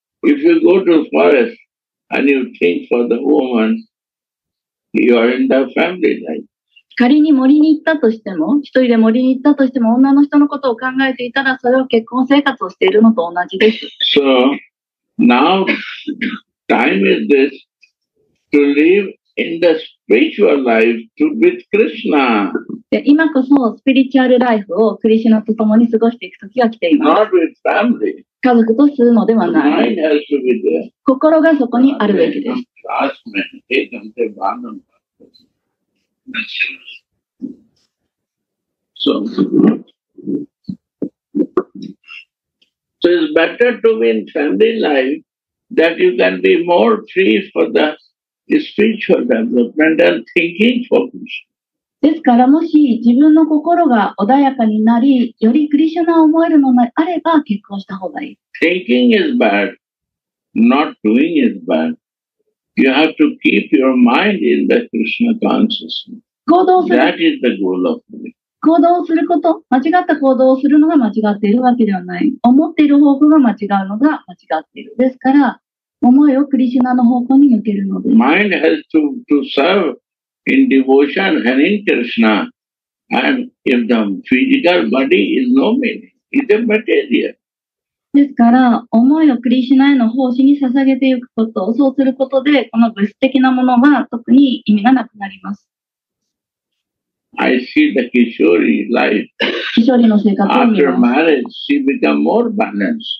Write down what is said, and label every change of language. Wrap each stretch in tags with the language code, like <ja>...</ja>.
<en>If you go to the forest and you think for the woman, you are in the family life.</en> <ja>仮に森に行ったとしても、一人で森に行ったとしても、女の人のことを考えていたら、それは結婚生活をしているのと同じです。</ja> <en>So, now, time is this to live in the spiritual life to be Krishna.</en> <ja>で今こそスピリチュアルライフをクリシナと共に過ごしていく時が来ています。家族とするのではない。心がそこにあるべきです。</ja> <en>So, so it's better to be in family life that you can be more free for the spiritual development and thinking for Krishna.</en> <ja>ですからもし自分の心が穏やかになりよりクリシュナを思えるのであれば結婚した方がいい。</ja> <en>Thinking is bad, not doing is bad. You have to keep your mind in the Krishna consciousness. That is the goal of life.</en> <ja>行動すること、間違った行動をするのが間違っているわけではない。思っている方向が間違うのが間違っている。ですから思いをクリシュナの方向に向けるのです。</ja> <en>Mind has to serveIn devotion and in Krishna, and if the physical body is no meaning, it's a material.</en> <ja>ですから、思いをクリシュナへの奉仕に捧げていくこと、そうすることで、この物質的なものは特に意味がなくなります。</ja> <en>I see the Kishori life.</en> <ja>Kishori の生活を見ます。</ja> <en>After marriage, she became more balanced.</en>